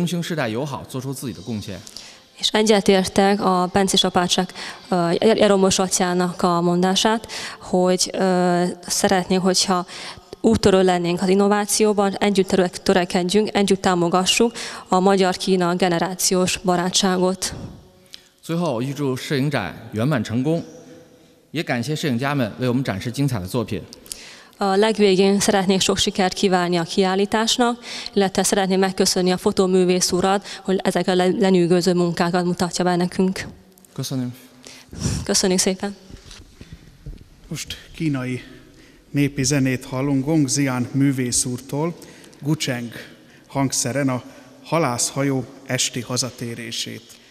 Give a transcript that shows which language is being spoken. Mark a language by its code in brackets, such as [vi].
[zh] 我也非常赞同院长刚才说的，我们愿意同在座的各位同事、各位朋友一起努力，开拓创新，继续为中兴世代友好做出自己的贡献。 [hu] És egyetértek a Bencés apácsak Jaromos atyának a mondását, hogy szeretnénk, hogyha úttörő lennénk az innovációban, együtt törekedjünk, együtt támogassuk a magyar-kína generációs barátságot. [zh] 最后，预祝摄影展圆满成功，也感谢摄影家们为我们展示精彩的作品。 [hu] legvégén szeretnék sok sikert kívánni a kiállításnak, illetve szeretném megköszönni a fotóművész urat, hogy ezek a lenyűgöző munkákat mutatja be nekünk. Köszönöm. Köszönjük szépen. Most kínai népi zenét hallunk Gong Xian művész úrtól, Gucheng hangszeren a halászhajó esti hazatérését.